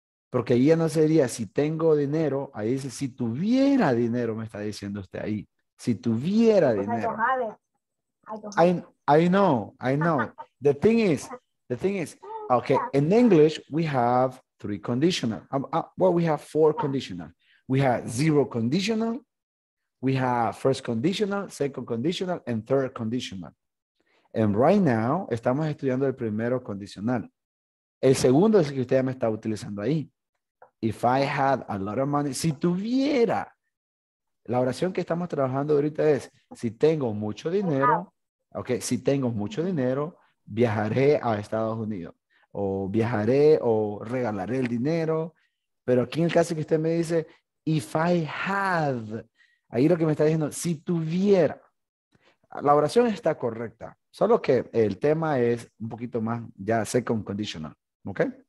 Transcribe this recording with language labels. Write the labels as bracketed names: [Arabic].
[Spanish] Porque ahí ya no sería si tengo dinero, ahí dice si tuviera dinero, me está diciendo usted ahí. Si tuviera dinero. [English] I know. The thing is, okay, in English, we have three conditional. We have four conditional. We have zero conditional. We have first conditional, second conditional, and third conditional. And right now, [Spanish] estamos estudiando el primero condicional. El segundo es el que usted ya me está utilizando ahí. [English] If I had a lot of money, [Spanish] si tuviera, la oración que estamos trabajando ahorita es, si tengo mucho dinero, ok, si tengo mucho dinero, viajaré a Estados Unidos, o viajaré o regalaré el dinero, pero aquí en el caso que usted me dice, [English] if I had, [Spanish] ahí lo que me está diciendo, si tuviera, la oración está correcta, solo que el tema es un poquito más, ya second conditional, ok.